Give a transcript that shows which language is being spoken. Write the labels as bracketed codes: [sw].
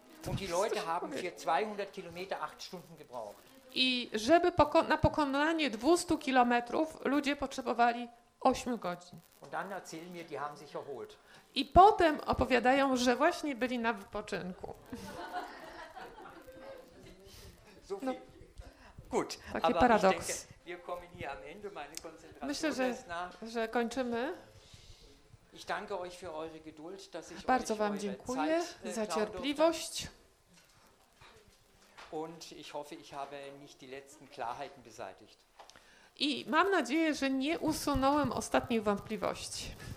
[de] Und die Leute haben für 200 Kilometer 8 Stunden gebraucht. [pl] I żeby na pokonanie 200 kilometrów ludzie potrzebowali 8 godzin. [de] Und dann erzählen mir, die haben sich erholt. [pl] I potem opowiadają, że właśnie byli na wypoczynku. [de] No. Gut, [pl] taki paradoks. [de] Denke, [pl] myślę, że kończymy. [de] Ich danke euch für eure Geduld, dass ich [pl] bardzo [de] euch [pl] wam dziękuję za cierpliwość. [de] Und ich hoffe, ich habe nicht die letzten Klarheiten beseitigt. [pl] I mam nadzieję, że nie usunąłem ostatnich wątpliwości.